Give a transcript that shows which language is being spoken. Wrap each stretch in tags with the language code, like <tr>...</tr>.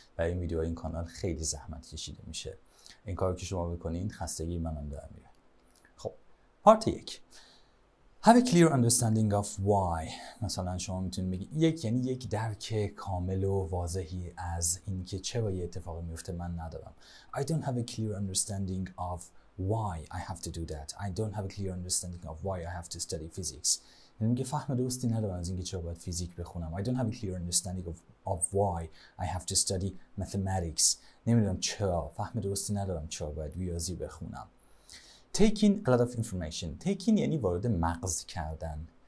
<fa>برای این ویدیو این کانال خیلی زحمت کشیده میشه. این کارو که شما بکنین خستگی منم در میاره. خب پارت 1.</fa> <en>Have a clear understanding of why.</en> <fa>مثلا شما میتونید بگید یک، یعنی یک درک کامل و واضحی از اینکه چرا یه اتفاقی میفته من ندارم.</fa> <en>I don't have a clear understanding of why I have to do that. I don't have a clear understanding of why I have to study physics.</en> <fa>یعنی میگه فهم درستی ندارم از اینکه چرا باید فیزیک بخونم.</fa> <en>I don't have a clear understanding of why I have to study mathematics.</en> <fa>نمیدونم چرا، فهم درستی ندارم چرا باید ریاضی بخونم.</fa> <en>Take in a lot of information. Take in</en> <fa>یعنی وارد مغز کردن.</fa>